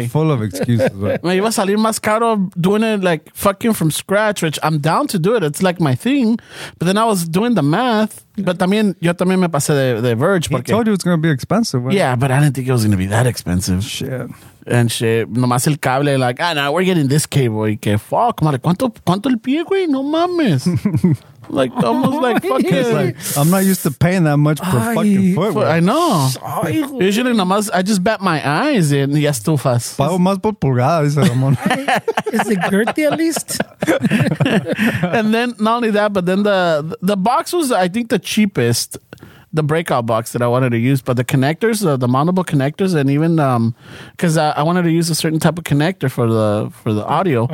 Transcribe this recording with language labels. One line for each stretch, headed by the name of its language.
English: You're full of excuses, güey.
Spanish: Me iba a salir más caro
English: doing it, like, fucking from scratch, which I'm down to do it. It's, like, my thing. But then I was doing the math. But
Spanish: también, yo también me pasé de verge.
English: I told you it's going to be expensive, right? Yeah, but I didn't think it was going to be that expensive. Shit. And shit.
Spanish: Nomás el cable,
English: like, ah, no, we're getting this cable.
Spanish: Y que, fuck, madre, ¿cuánto el pie, güey? No mames.
English: Like almost like fucking like, I'm not used to paying that much per fucking foot. Right? I know. Ay, usually nomás I just bat my eyes in y estufas.
Spanish: Pago más por pulgada, dice Ramon.
English: Is it girthy at least? And then not only that, but then the box was I think the cheapest, the breakout box that I wanted to use, but the connectors, the mountable connectors, and even because I wanted to use a certain type of connector for the audio.